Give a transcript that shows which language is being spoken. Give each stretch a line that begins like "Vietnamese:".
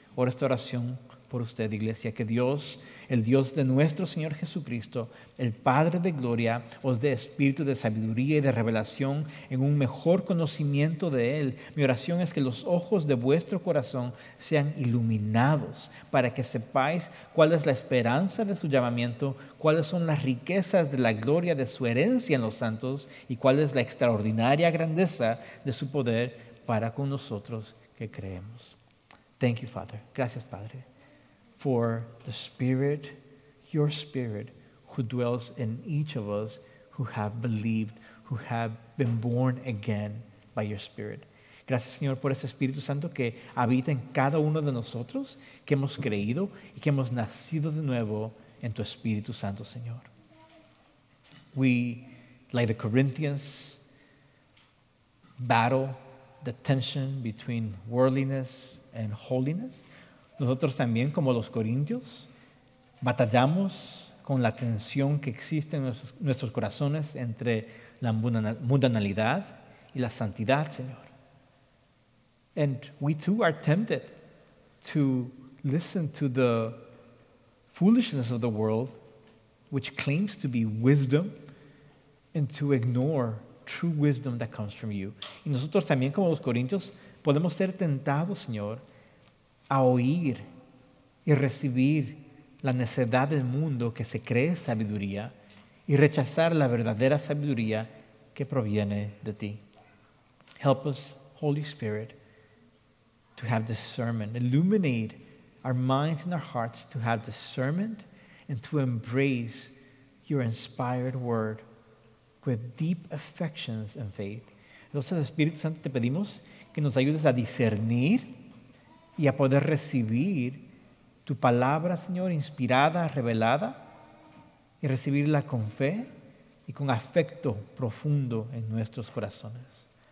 Spanish: Ora esta oración por usted, iglesia, que Dios, el Dios de nuestro Señor Jesucristo, el Padre de gloria, os dé espíritu de sabiduría y de revelación en un mejor conocimiento de Él. Mi oración es que los ojos de vuestro corazón sean iluminados para que sepáis cuál es la esperanza de su llamamiento, cuáles son las riquezas de la gloria de su herencia en los santos y cuál es la extraordinaria grandeza de su poder para con nosotros que creemos.
English: Thank you, Father.
Spanish: Gracias, Padre.
English: For the Spirit, your Spirit, who dwells in each of us who have believed, who have been born again by your Spirit.
Spanish: Gracias, Señor, por ese Espíritu Santo que habita en cada uno de nosotros, que hemos creído y que hemos nacido de nuevo en tu Espíritu Santo, Señor.
English: We, like the Corinthians, battle the tension between worldliness and holiness.
Spanish: Nosotros también, como los corintios, batallamos con la tensión que existe en nuestros corazones entre la mundanalidad y la santidad, Señor.
English: And we too are tempted to listen to the foolishness of the world, which claims to be wisdom, and to ignore true wisdom that comes from you.
Spanish: Y nosotros también, como los corintios, podemos ser tentados, Señor, a oír y recibir la necedad del mundo que se cree sabiduría y rechazar la verdadera sabiduría que proviene de ti.
English: Help us, Holy Spirit, to have discernment. Illuminate our minds and our hearts to have discernment and to embrace your inspired word with deep affections and faith.
Spanish: Entonces, Espíritu Santo, te pedimos que nos ayudes a discernir y a poder recibir tu palabra, Señor, inspirada, revelada, y recibirla con fe y con afecto profundo en nuestros corazones.